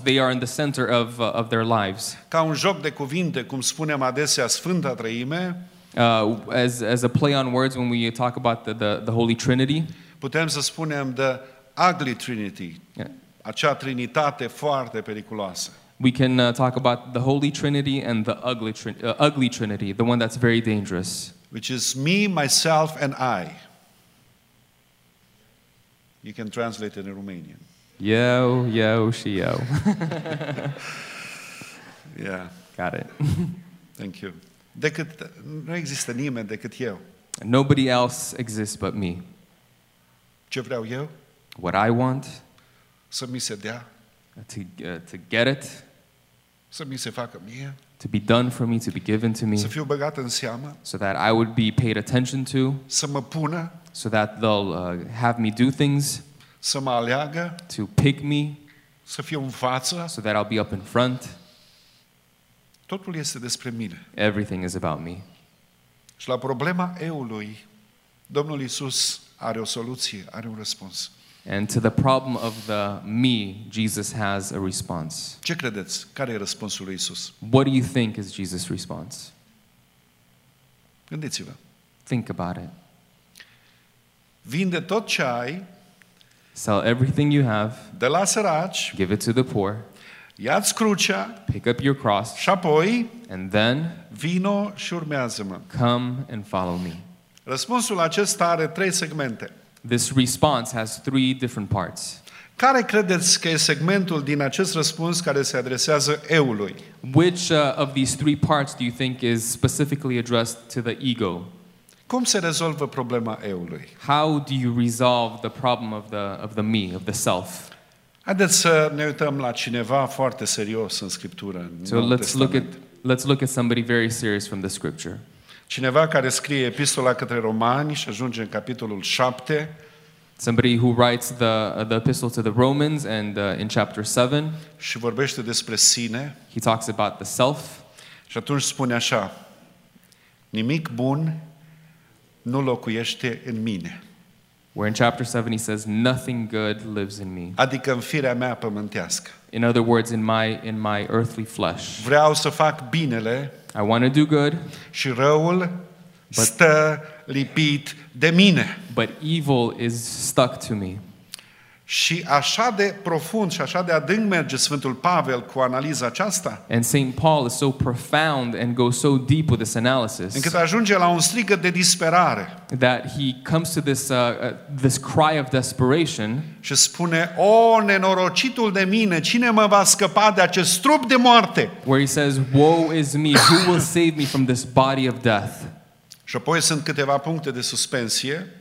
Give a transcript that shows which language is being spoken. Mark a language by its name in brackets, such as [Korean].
[English] They are in the center of their lives. [Romanian] Ca un joc de cuvinte, cum spunem adesea, Sfânta Treime. [English] As a play on words when we talk about the Holy Trinity. [Romanian] Putem să spunem [English] the ugly Trinity. Yeah. [Romanian] Acea trinitate foarte periculoasă. [English] We can talk about the Holy Trinity and the ugly Trinity, the one that's very dangerous. Which is me, myself and I. You can translate it in Romanian. [Romanian] Eu, eu și eu. [English] Yeah. Got it. Thank you. [Romanian] Decât, nu există nimeni decât eu. [English] Nobody else exists but me. [Romanian] Ce vreau eu? [English] What I want. [Romanian] Să mi se dea. [English] To get it. [Romanian] Să mi se facă mie. [English] To be done for me, to be given to me. [Romanian] Să fiu băgat în seamă. [English] So that I would be paid attention to. [Romanian] Să mă pună. [English] So that they'll have me do things. [Romanian] Să mă aleagă. [English] To pick me. [Romanian] să fiu în față. [English] So that I'll be up in front. [Romanian] Totul este despre mine. [English] Everything is about me. [Romanian] Și la problema eului, Domnul Iisus are o soluție, are un răspuns. [English] And to the problem of the me, Jesus has a response. [Romanian] Ce credeți? Care e răspunsul lui Iisus? [English] What do you think is Jesus' response? [Romanian] Gândiți-vă. [English] Think about it. [Romanian] Vinde tot ce ai. [English] Sell everything you have. [Romanian] De la săraci. [English] Give it to the poor. [Romanian] Ia-ți crucea. [English] Pick up your cross. [Romanian] Și apoi. [English] And then. [Romanian] Vino și urmează-mă. [English] Come and follow me. [Romanian] Răspunsul acesta are trei segmente. [English] This response has three different parts. [Romanian] Care credeți că e segmentul din acest răspuns care se adresează eului? [English] Which of these three parts do you think is specifically addressed to the ego? [Romanian] Cum se rezolvă problema eului? [English] How do you resolve the problem of the me, of the self? [Romanian] Haideți să ne uităm la cineva foarte serios în Scriptură. [English] So let's look at somebody very serious from the Scripture. [Romanian] Cineva care scrie epistola către Romani și ajunge în capitolul 7. [English] Somebody who writes the epistle to the Romans and in chapter 7. [Romanian] Și vorbește despre sine. [English] He talks about the self. [Romanian] Și atunci spune așa: nimic bun nu locuiește în mine. [English] Where in chapter 7 he says nothing good lives in me. [Romanian] Adică în firea mea pământească. [English] In other words, in my earthly flesh. [Romanian] Vreau să fac binele. [English] I want to do good. [Romanian] Și răul stă lipit de mine. [English] But evil is stuck to me. [Romanian] Și așa de profund și așa de adânc merge Sfântul Pavel cu analiza aceasta. [English] And Saint Paul is so profound and goes so deep with this analysis. [Romanian] Încât ajunge la un strigăt de disperare. [English] That he comes to this this cry of desperation. [Romanian] Și spune: o, nenorocitul de mine, cine mă va scăpa de acest trup de moarte? [English] Where he says, woe is me, who will save me from this body of death? [Romanian] Și apoi sunt câteva puncte de suspensie.